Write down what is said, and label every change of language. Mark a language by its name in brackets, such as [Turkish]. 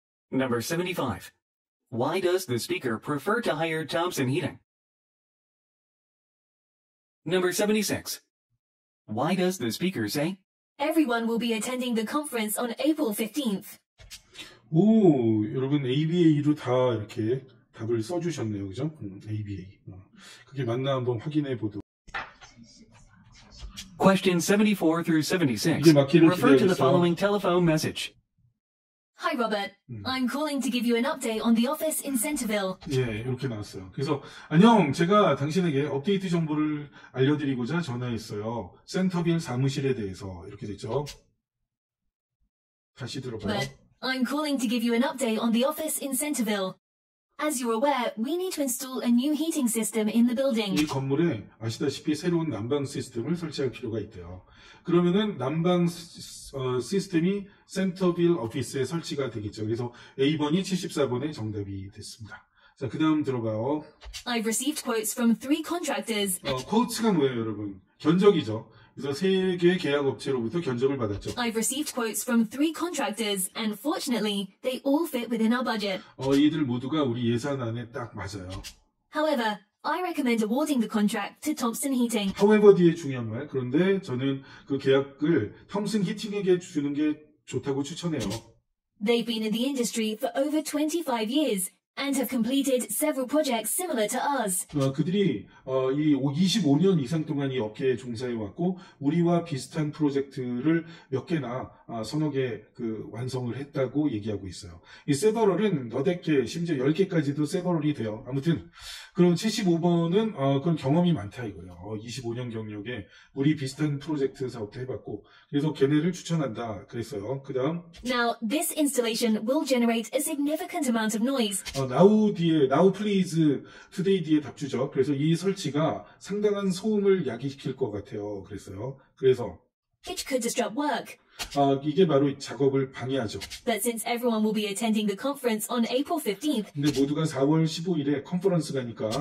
[English] Number 75. Why does the speaker prefer to hire Thompson Heating? Number 76. Why does the speaker say, Everyone will be attending the conference on April 15th. [Korean] 오, 여러분 ABA로 다 이렇게 답을 써주셨네요, 그죠? ABA. 그게 맞나 한번 확인해 보도록. [English] Question 74 through 76. Refer to the following telephone message. Hi Robert, I'm calling to give you an update on the office in Centerville. [Korean] 예, 이렇게 나왔어요. 그래서 안녕, 제가 당신에게 업데이트 정보를 알려드리고자 전화했어요. 센터빌 사무실에 대해서 이렇게 됐죠. 다시 들어봐요. [English] But I'm calling to give you an update on the office in Centerville. As you're aware, we need to install a new heating system in the building. [Korean] 이 건물에 아시다시피 새로운 난방 시스템을 설치할 필요가 있대요. 그러면은 난방 시스템이 센터빌 오피스에 설치가 되겠죠. 그래서 A번이 74번의 정답이 됐습니다. 자, 그다음 들어봐요. [English] I've received quotes from three contractors. [Korean] 코트가 뭐예요, 여러분? 견적이죠. 그래서 세 개의 계약 업체로부터 견적을 받았죠. [English] I've received quotes from three contractors and fortunately they all fit within our budget. [Korean] 이들 모두가 우리 예산 안에 딱 맞아요. [English] However, I recommend awarding the contract to Thompson Heating. [Korean] However 뒤에 중요한 말. 그런데 저는 그 계약을 Thompson Heating에게 주는 게 좋다고 추천해요. [English] They've been in the industry for over 25 years. And have completed several projects similar to ours. [Korean] 그들이 이 25년 이상 동안 이 업계에 종사해 왔고 우리와 비슷한 프로젝트를 몇 개나 서너 개 그 완성을 했다고 얘기하고 있어요. 이 세버럴은 너댓 개, 심지어 열 개까지도 세버럴이 돼요. 아무튼 그럼 75번은 그런 경험이 많다 이거예요. 25년 경력에 우리 비슷한 프로젝트 사업도 해봤고 그래서 걔네를 추천한다 그랬어요. 그다음 [English] Now this installation will generate a significant amount of noise. [Korean] Now 뒤에 [English] Now please today [Korean] 뒤에 답 주죠. 그래서 이 설치가 상당한 소음을 야기시킬 것 같아요. 그랬어요. 그래서 [English] Which could disrupt work. [Korean] 이게 바로 작업을 방해하죠. [English] But since everyone will be attending the conference on April 15th. [Korean] 근데 모두가 4월 15일에 컨퍼런스가니까